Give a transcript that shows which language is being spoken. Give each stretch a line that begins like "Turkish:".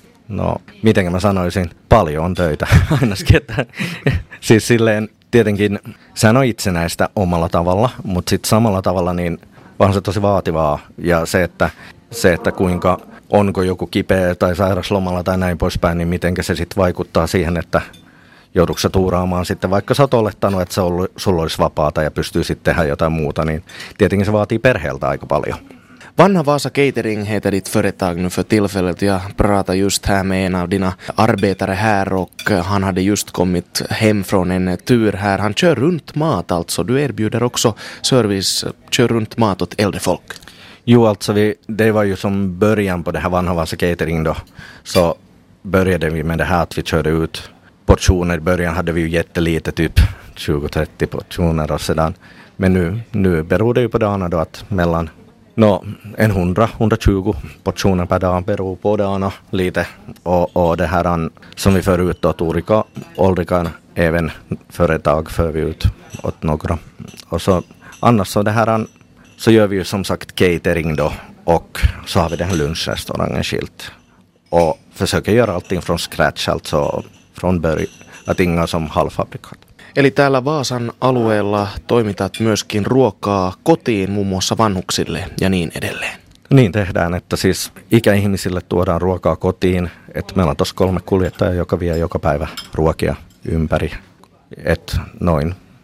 Finnish: No, miten mä sanoisin, paljon on töitä ainakin, että siis silleen tietenkin sehän on itsenäistä omalla tavalla, mutta sitten samalla tavalla niin vaan se tosi vaativaa ja se, että kuinka onko joku kipeä tai sairas lomalla tai näin poispäin, niin mitenkä se sitten vaikuttaa siihen, että joudutko sä tuuraamaan sitten, vaikka sä oot olettanut, että sulla olisi vapaata ja pystyy sitten tehdä jotain muuta, niin tietenkin se vaatii perheeltä aika paljon.
Swedish: Vanha Vaasa Catering heter ditt företag nu för tillfället. Jag pratar just här med en av dina arbetare här och han hade just kommit hem från en tur här. Han kör runt mat alltså. Du erbjuder också service, kör runt mat åt äldre folk. Jo, alltså det var ju som början på det här Vanha Vaasa Catering då. Så började vi med det här att vi körde ut portioner. I början hade vi ju jättelite, typ 20-30 portioner och sedan. Men nu beror det ju på det andra då att mellan... No, en 100-120 portioner per dag beror på det andra lite. Och det här som vi för ut åt olika åldrar, även företag för vi ut åt några. Och så annars så det här så gör vi ju som sagt catering då. Och så har vi den här lunchrestaurangen skilt. Och försöker göra allting från scratch, alltså från början. Att inga som halvfabrikat.
Finnish: Eli täällä Vaasan alueella toimitat myöskin ruokaa kotiin muun muassa vanhuksille ja niin edelleen. Niin tehdään, että siis ikäihmisille tuodaan ruokaa kotiin. Että meillä on tuossa 3 kuljettajaa, joka vie joka päivä ruokia ympäri. Että noin.